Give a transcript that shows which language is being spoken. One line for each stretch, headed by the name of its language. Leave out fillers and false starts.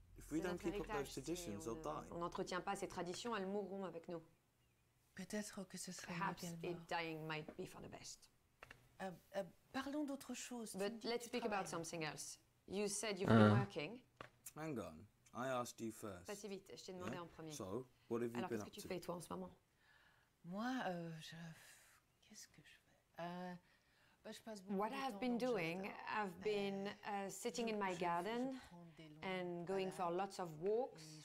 English: If we don't keep up those traditions, they'll die.
French: On n'entretient pas ces traditions, elles mourront avec nous. Peut-être que ce serait bien mort.
English: Perhaps it dying might be for the best.
French: Parlons d'autre chose.
English: But let's speak about something else. You said you've been working. Hang on, I asked you first.
French: Pas si vite, je t'ai demandé en premier.
English: So, what have you been up to?
French: Alors, qu'est-ce que tu fais, toi, en ce moment? Moi, je... Qu'est-ce que je fais?
English: What I have been doing, I've been sitting in my garden and going for lots of walks.